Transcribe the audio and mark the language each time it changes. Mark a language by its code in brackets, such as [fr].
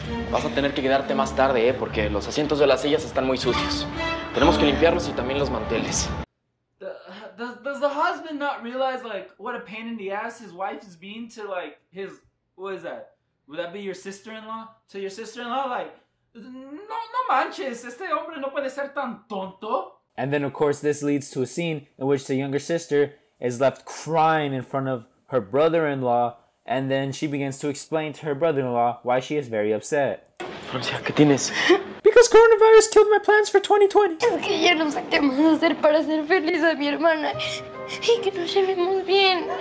[es] Vas a tener que quedarte más tarde, porque los asientos de las sillas están muy sucios. Tenemos que limpiarlos y también los manteles. [en] Does the husband not realize, like, what a pain in the ass his wife is being to, like, his, what is that? Would that be your sister-in-law? To your sister-in-law? [es] Like, no manches, este hombre no puede ser tan tonto. [en] And then, of course, this leads to a scene in which the younger sister is left crying in front of her brother-in-law, and then she begins to explain to her brother-in-law why she is very upset. [es] Francia, ¿qué tienes? [en] Because coronavirus killed my plans for 2020. [es] Es que ya no sé qué más hacer para ser feliz a mi hermana y que nos llevemos bien.